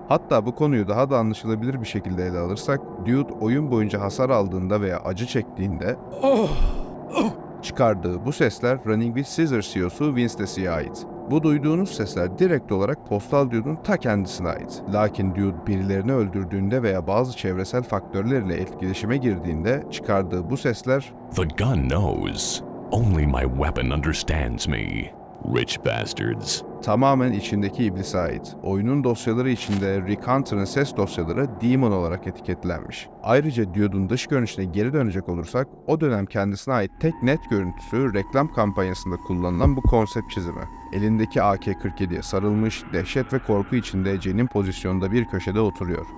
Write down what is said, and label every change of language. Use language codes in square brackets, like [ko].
[tr] Hatta bu konuyu daha da anlaşılabilir bir şekilde ele alırsak, Dude oyun boyunca hasar aldığında veya acı çektiğinde çıkardığı bu sesler Running With Scissor CEO'su Vince DeSea'ya ait. Bu duyduğunuz sesler direkt olarak Postal Dude'un ta kendisine ait. Lakin Dude birilerini öldürdüğünde veya bazı çevresel faktörlerle etkileşime girdiğinde çıkardığı bu sesler [en] "The gun knows. Only my weapon understands me. Rich bastards." [tr] Tamamen içindeki iblise ait. Oyunun dosyaları içinde Rick Hunter'ın ses dosyaları Demon olarak etiketlenmiş. Ayrıca Dude'un dış görünüşüne geri dönecek olursak, o dönem kendisine ait tek net görüntüsü reklam kampanyasında kullanılan bu konsept çizimi. Elindeki AK-47'ye sarılmış, dehşet ve korku içinde cenin pozisyonunda bir köşede oturuyor.